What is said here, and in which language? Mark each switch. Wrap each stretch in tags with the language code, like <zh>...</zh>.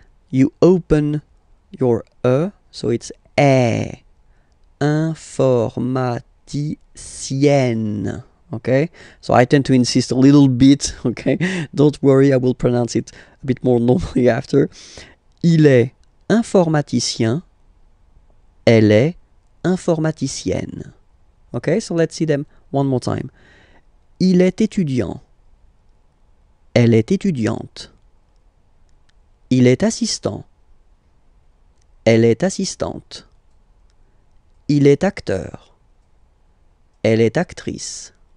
<en>You open your E, so it's E, informaticienne. Okay, so I tend to insist a little bit, okay? Don't worry, I will pronounce it a bit more normally after.</en> <fr>Il est informaticien, elle est informaticienne.</fr> <en>Okay, so let's see them one more time.</en> <fr>Il est étudiant, elle est étudiante. Il est assistant, elle est assistante. Il est acteur, elle est actrice.</fr>